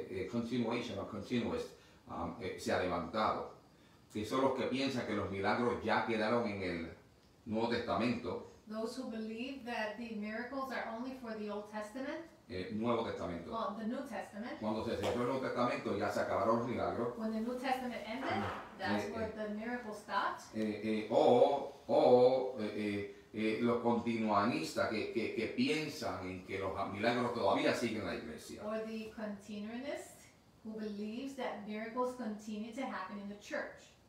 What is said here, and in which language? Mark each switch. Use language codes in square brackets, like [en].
[es] Continuist se ha levantado, que son los que piensan que los milagros ya quedaron en el Nuevo Testamento. [en] Those who believe that the miracles are only for the Old Testament. [es] Nuevo Testamento. [en] Well, the New Testament. [es] Cuando se cerró el Nuevo Testamento ya se acabaron los milagros. [en] When the New Testament ended, that's where the miracles stopped. [es] O los continuanistas que piensan en que los milagros todavía siguen en la iglesia. [en] Or the continuanist who believes that miracles continue to happen in the church.